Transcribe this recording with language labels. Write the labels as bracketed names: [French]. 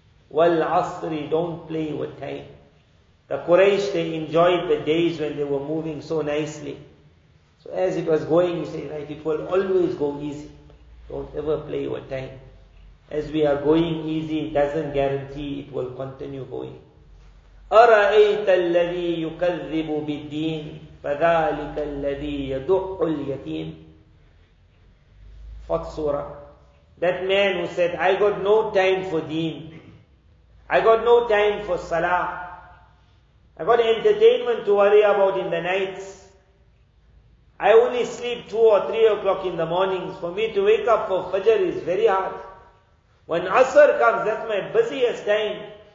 [English] Wal asri, don't play with time. The Quraysh, they enjoyed the days when they were moving so nicely. So as it was going, you say, right, it will always go easy. Don't ever play with time. As we are going easy, it doesn't guarantee it will continue going. [Arabic] أَرَأَيْتَ الَّذِي يُكَذِّبُ بِالدِّينِ فَذَٰلِكَ الَّذِي يَدُعُّ الْيَتِيمِ [English] Fourth surah. That man who said, I got no time for deen. I got no time for salah. I got entertainment to worry about in the nights. I only sleep 2 or 3 o'clock in the mornings. For me to wake up for fajr is very hard. When Asr comes, that's my busiest time.